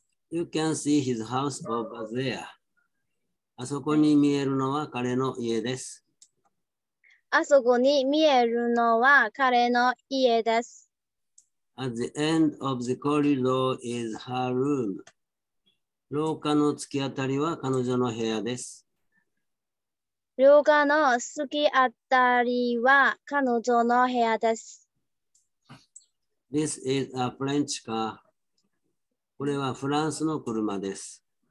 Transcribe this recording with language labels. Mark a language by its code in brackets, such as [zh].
[en] You can see his house over there. [ja] あそこに見えるのは彼の家です。あそこに見えるのは彼の家です。 [en] At the end of the corridor is her room. [ja] 廊下の突き当たりは彼女の部屋です。廊下の突き当たりは彼女の部屋です。 [en] This is a French car. [ja] これはフランスの車です。